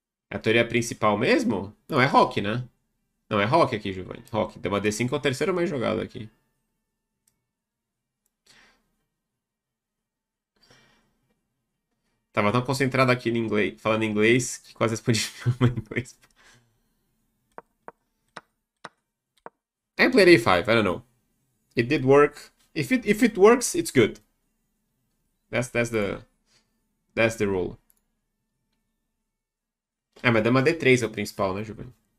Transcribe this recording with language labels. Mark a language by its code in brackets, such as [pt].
[pt] É a teoria principal mesmo? Não, é rock, né? Não, é rock aqui, Giovanni. Rock. Deu uma D5 é o terceiro mais jogado aqui. Tava tão concentrado aqui no inglês, falando inglês, que quase respondi em inglês. [en] I played A5, I don't know. It did work. If it works, it's good. That's the That's the rule. [pt] Ah, mas dama D3 é o principal, né, Giovanni?